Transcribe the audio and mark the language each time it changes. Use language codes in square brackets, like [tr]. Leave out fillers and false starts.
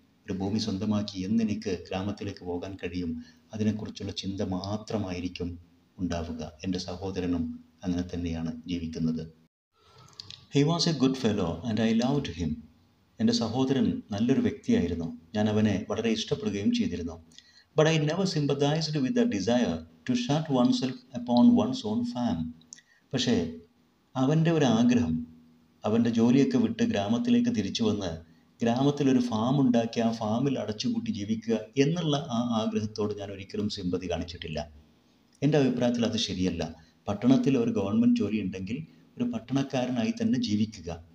[ml] ഒരു ഭൂമി സ്വന്തമാക്കി എന്നെനിക്ക് ഗ്രാമത്തിലേക്ക് പോകാൻ കഴിയും, അതിനെക്കുറിച്ചുള്ള ചിന്ത മാത്രമായിരിക്കും ഉണ്ടാവുക. എൻ്റെ സഹോദരനും അങ്ങനെ തന്നെയാണ് ജീവിക്കുന്നത്. [en] He was a good fellow and I love him. [ml] എൻ്റെ സഹോദരൻ നല്ലൊരു വ്യക്തിയായിരുന്നു, ഞാൻ അവനെ വളരെ ഇഷ്ടപ്പെടുകയും ചെയ്തിരുന്നു. [en] But I never sympathized with the desire to shut oneself upon one's own farm. [ml] പക്ഷേ അവൻ്റെ ഒരു ആഗ്രഹം അവൻ്റെ ജോലിയൊക്കെ വിട്ട് ഗ്രാമത്തിലേക്ക് തിരിച്ചു വന്ന് ഗ്രാമത്തിലൊരു ഫാം ഉണ്ടാക്കി ആ ഫാമിൽ അടച്ചുകൂട്ടി ജീവിക്കുക എന്നുള്ള ആ ആഗ്രഹത്തോട് ഞാൻ ഒരിക്കലും സിമ്പതി കാണിച്ചിട്ടില്ല. എൻ്റെ അഭിപ്രായത്തിൽ അത് ശരിയല്ല. പട്ടണത്തിൽ ഒരു ഗവൺമെൻറ് ജോലി ഉണ്ടെങ്കിൽ ഒരു പട്ടണക്കാരനായി തന്നെ ജീവിക്കുക.